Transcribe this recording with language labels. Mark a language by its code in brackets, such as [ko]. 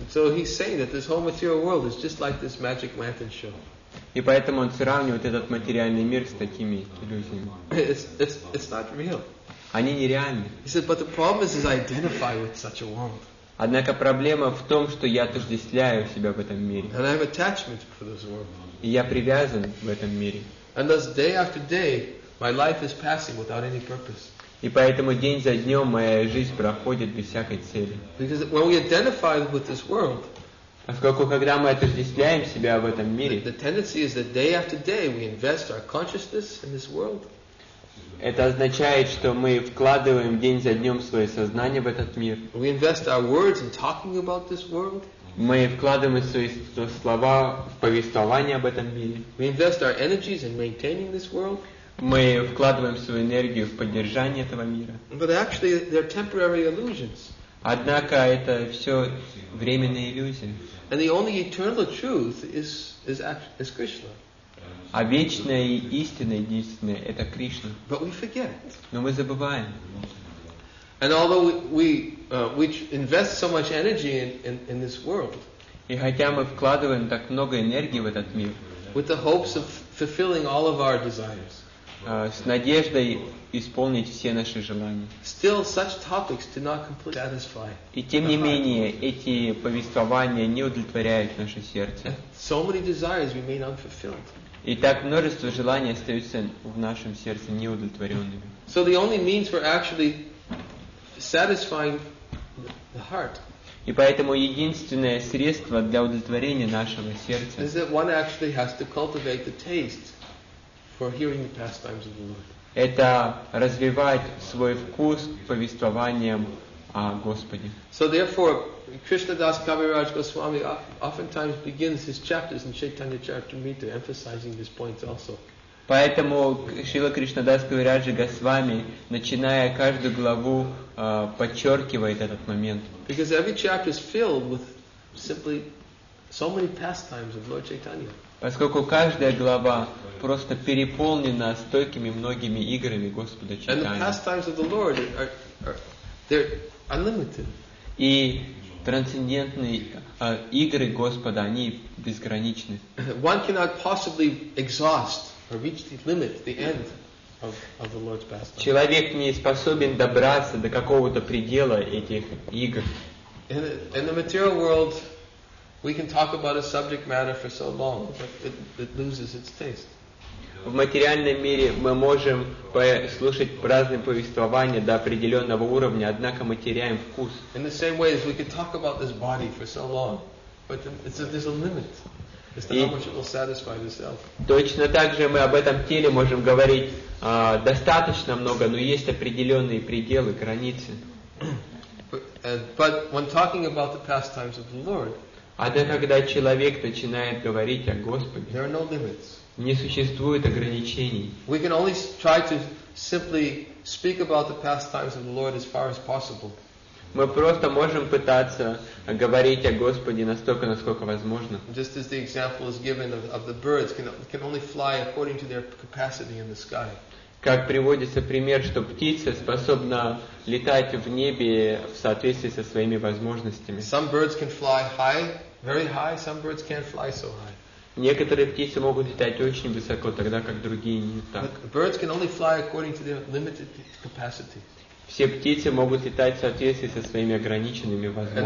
[en] So he's saying that this whole material world is just like this magic lantern show. [ru] И поэтому он сравнивает этот материальный мир с такими иллюзиями. [en] It's not real. [ru] Они нереальны. [en] He said, but the problem is I identify with such a world. [ru] Однако проблема в том, что я отождествляю себя в этом мире. [en] And I have attachment for this world. [ru] И я привязан в этом мире. [en] And thus day after day, my life is passing without any purpose. [ru] И поэтому день за днем моя жизнь проходит без всякой цели. [en] Because when we identify with this world. [ru] Поскольку когда мы отождествляем себя в этом мире, [en] the tendency is that day after day we invest our consciousness in this world. [ru] Это означает, что мы вкладываем день за днем свое сознание в этот мир. [en] We invest our words in talking about this world. [ru] Мы вкладываем свои слова в повествование об этом мире. [en] We invest our energies in maintaining this world. [ru] Мы вкладываем свою энергию в поддержание этого мира. [en] But actually, they're temporary illusions. [ru] Однако это все временные иллюзии. [en] And the only eternal truth is Krishna. [ru] А вечная и истинная единственная это Кришна. [en] But we forget. [ru] Но мы забываем. [en] And although we invest so much energy in this world. [ru] И хотя мы вкладываем так много энергии в этот мир. [en] With the hopes of fulfilling all of our desires. [ru] С надеждой исполнить все наши желания. [en] Still, such topics do not completely satisfy. [ru] И тем не менее, эти повествования не удовлетворяют наше сердце. [en] So many desires remain unfulfilled. [ru] И так множество желаний остаются в нашем сердце неудовлетворенными. [en] So the only means for actually satisfying the heart. [ru] И поэтому единственное средство для удовлетворения нашего сердца. [en] Is that one actually has to cultivate the taste for hearing the pastimes of the Lord. [ru] Это развивать свой вкус повествованием о Господе. [en] So therefore, Krishna Das Kaviraj Goswami oftentimes begins his chapters in Chaitanya Charitamrita emphasizing this point also. [ru] Поэтому Шрила Кришна Дас Кавираджа Госвами, начиная каждую главу, подчеркивает этот момент. [en] Because every chapter is filled with simply so many pastimes of Lord Chaitanya. [ru] Поскольку каждая глава просто переполнена стойкими многими играми Господа Чайтанья. И трансцендентные игры Господа, они безграничны. [en] One cannot possibly exhaust or reach the limit, the end of the Lord's pastime. [ru] Человек не способен добраться до какого-то предела этих игр. [en] In the material world, we can talk about a subject matter for so long, but it loses its taste. [ru] В материальном мире мы можем слушать разные повествования до определенного уровня, однако мы теряем вкус. [en] In the same way as we can talk about this body for so long, but there's a limit as to how much it will satisfy itself. [ru] Точно так же мы об этом теле можем говорить достаточно много, но есть определенные пределы, границы. [en] But when talking about the pastimes of the Lord. [ru] А то, когда человек начинает говорить о Господе, [en] there are no limits. [ru] Не существует ограничений. [en] We can only try to simply speak about the pastimes of the Lord as far as possible. [ru] Мы просто можем пытаться говорить о Господе настолько, насколько возможно. [en] Just as the example is given of the birds can only fly according to their capacity in the sky. [ru] Как приводится пример, что птица способна летать в небе в соответствии со своими возможностями. [en] Some birds can fly high, very high, some birds can't fly so high. [ru] Некоторые птицы могут летать очень высоко, тогда как другие не так. [en] But birds can only fly according to their limited capacity. [ru] Все птицы могут летать в соответствии со своими ограниченными возможностями.